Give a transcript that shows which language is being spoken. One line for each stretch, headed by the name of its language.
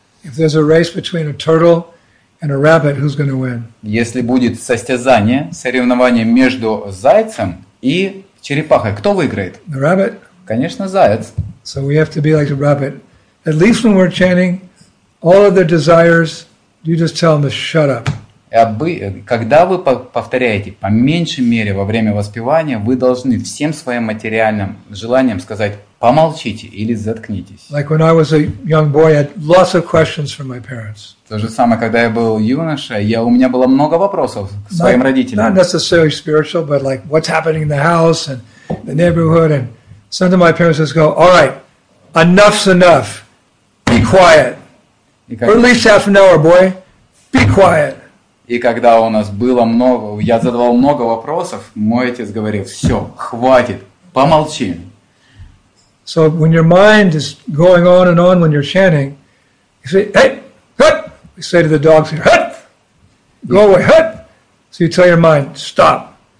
English: If there's a race between a turtle and a rabbit, who's going to win?
Russian: Если будет состязание, соревнование между зайцем и черепахой, кто выиграет?
English: The rabbit.
Russian: Конечно, заяц.
English: So we have to be like the rabbit. At least when we're chanting, all of their desires, you just tell them to shut up.
Russian: Когда вы повторяете, по меньшей мере во время воспевания, вы должны всем своим материальным желаниям сказать «помолчите» или «заткнитесь».
English: Like when I was a young boy, I had lots of questions from my parents.
Russian: То же самое, когда я был юношей, у меня было много вопросов к своим родителям.
English: Not necessarily spiritual, but like what's happening in the house and the neighborhood. And some of my parents just go, all right, enough's enough. Be quiet. For at least half an hour, boy. Be quiet.
Russian: И когда у нас было много, я задавал много вопросов, мой отец говорил, все, хватит, помолчи.
English: So when your mind is going on and on when you're chanting, you say, hey, hut! You say to the dogs, hut! Go away, hut! So you tell your mind, stop.